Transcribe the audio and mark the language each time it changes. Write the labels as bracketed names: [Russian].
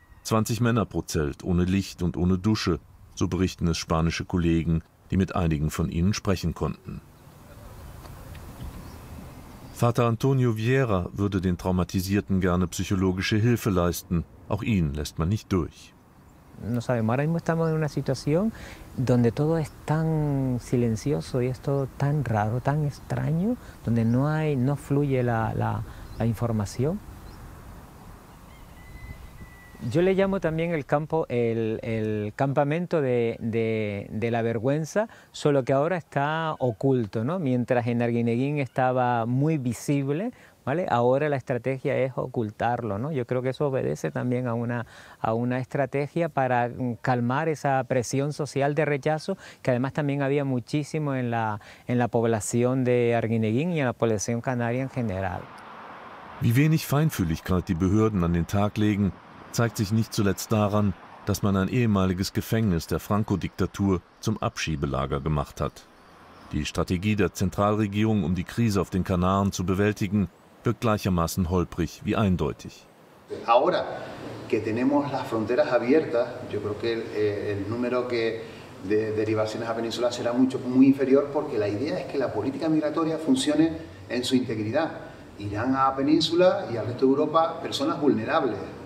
[German] 20 Männer pro Zelt, ohne Licht und ohne Dusche, so berichten es spanische Kollegen, die mit einigen von ihnen sprechen konnten. Vater Antonio Vieira würde den Traumatisierten gerne psychologische Hilfe leisten. Auch ihn lässt man nicht durch. [Spanish] No sabemos, ahora mismo estamos en una situación donde todo es tan silencioso y es todo tan raro, tan extraño, donde no hay, no fluye la información. Yo le llamo también el campo, el campamento de la vergüenza, solo que ahora está oculto, ¿no? Mientras en Arguineguín estaba muy visible, ¿vale? Ahora la estrategia es ocultarlo, ¿no? Yo creo que eso obedece también a una estrategia para calmar esa presión social de rechazo, que además también había muchísimo en la población de Arguineguín y en la población canaria en general. [German] Wie wenig Feinfühligkeit die Behörden an den Tag legen, zeigt sich nicht zuletzt daran, dass man ein ehemaliges Gefängnis der Franco-Diktatur zum Abschiebelager gemacht hat. Die Strategie der Zentralregierung, um die Krise auf den Kanaren zu bewältigen, wirkt gleichermaßen holprig wie eindeutig. [Spanish] Ahora que tenemos las fronteras abiertas, yo creo que el número que de derivaciones a Venezuela será mucho muy inferior, porque la idea es que la política migratoria funcione en su integridad. Irán a Península y al resto de Europa personas vulnerables.